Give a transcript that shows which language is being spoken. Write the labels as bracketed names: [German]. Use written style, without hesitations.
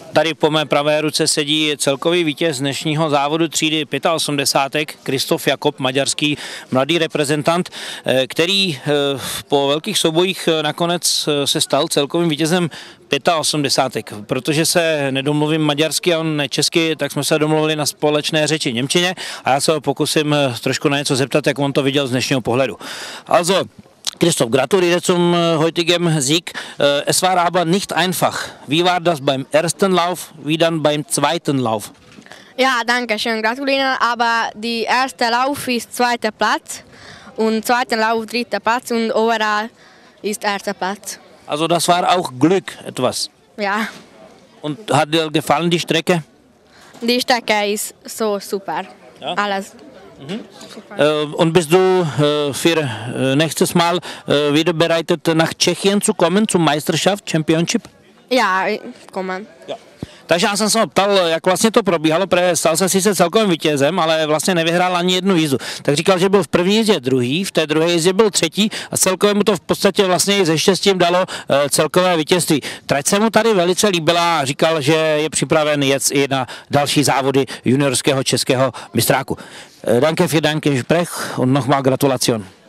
[Czech] Tady po mé pravé ruce sedí celkový vítěz dnešního závodu třídy 85, Kristof Jakob, maďarský mladý reprezentant, který po velkých soubojích nakonec se stal celkovým vítězem 85. Protože se nedomluvím maďarsky a on ne česky, tak jsme se domluvili na společné řeči němčině a já se ho pokusím trošku na něco zeptat, jak on to viděl z dnešního pohledu. [German] Also, Christoph, gratuliere zum heutigen Sieg. Es war aber nicht einfach. Wie war das beim ersten Lauf, wie dann beim zweiten Lauf? Ja, danke schön, gratuliere. Aber der erste Lauf ist zweiter Platz und zweiter Lauf dritter Platz und overall ist erster Platz. Also das war auch Glück etwas? Ja. Und hat dir gefallen die Strecke? Die Strecke ist so super, ja. Alles. Und bist du für nächstes Mal wieder bereitet, nach Tschechien zu kommen, zur Meisterschaft, Championship? Ja, kommen. Ja. [Czech] Takže já jsem se ptal, jak vlastně to probíhalo, protože stal se sice celkovým vítězem, ale vlastně nevyhrál ani jednu jízdu. Tak říkal, že byl v první jízdě druhý, v té druhé jízdě byl třetí a celkově mu to v podstatě vlastně i ze štěstím dalo celkové vítězství. Trať se mu tady velice líbila a říkal, že je připraven jet i na další závody juniorského českého mistráku. [German] Danke für deinen Sprech und nochmal Gratulation.